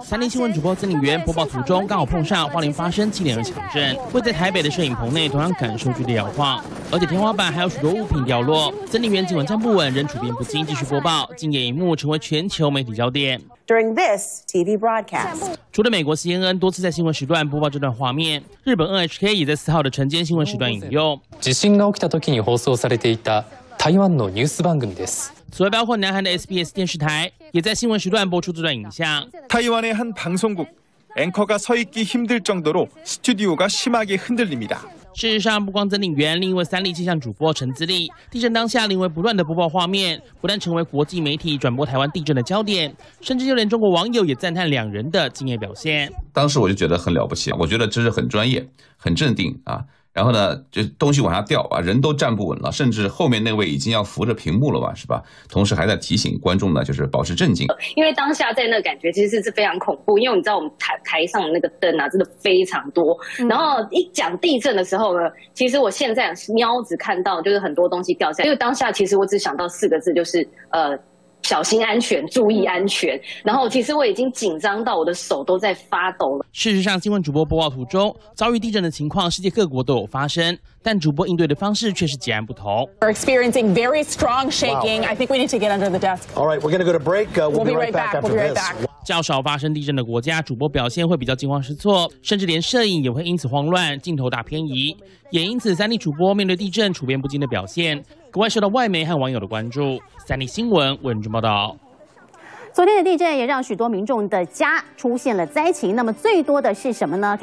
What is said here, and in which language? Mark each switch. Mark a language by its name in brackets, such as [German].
[Chinese] 三立新闻主播曾玲媛播报途中，刚好碰上花莲发生7.2强震，位在台北的摄影棚内同样感受剧烈摇晃，而且天花板还有许多物品掉落。曾玲媛尽管站不稳，仍处变不惊，继续播报，敬业一幕成为全球媒体焦点。 [English] During this TV broadcast, [Chinese] 除了美国 CNN 多次在新闻时段播报这段画面，日本 NHK 也在4号的晨间新闻时段引用。 [Japanese] 地震が起きた時に放送されていた台湾のニュース番組です。 [Chinese] 此外，包括南韩的 SBS 电视台也在新闻时段播出这段影像。 [Korean] 台湾의한방송국앵커가서있기힘들정도로스튜디오가심하게흔들립니다。 [Chinese] 事实上，不光曾鼎元，另一位三立气象主播陈自立，地震当下临危不乱的播报画面，不但成为国际媒体转播台湾地震的焦点，甚至就连中国网友也赞叹两人的敬业表现。当时我就觉得很了不起，我觉得这是很专业、很镇定啊。然后呢，就东西往下掉啊，人都站不稳了，甚至后面那位已经要扶着屏幕了吧，是吧？同时还在提醒观众呢，就是保持镇静。因为当下在那感觉其实是非常恐怖，因为你知道我们台上的那个灯啊，真的非常多。然后一讲地震的时候呢，其实我现在瞄子看到就是很多东西掉下来，因为当下其实我只想到四个字，就是小心安全，注意安全。然后其实我已经紧张到我的手都在发抖了。事实上，新闻主播播报途中遭遇地震的情况，世界各国都有发生，但主播应对的方式却是截然不同。 [English] We're experiencing very strong shaking. I think we need to get under the desk. All right, we're going to go to break. We'll be right back. [Chinese] 较少发生地震的国家，主播表现会比较惊慌失措，甚至连摄影也会因此慌乱，镜头打偏移。也因此，三立主播面对地震处变不惊的表现，格外受到外媒和网友的关注。三立新闻文中报道。昨天的地震也让许多民众的家出现了灾情，那么最多的是什么呢？